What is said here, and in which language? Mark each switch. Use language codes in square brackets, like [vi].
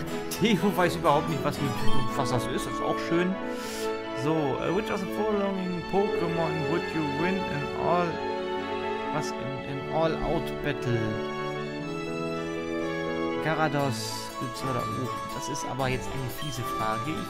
[de] Theo weiß überhaupt nicht, was das ist. Das ist auch schön. [en] So, which of the following Pokémon would you win in all... [de] Was? In All-Out Battle? Gyarados, Blitzer, oh, das ist aber jetzt eine fiese Frage.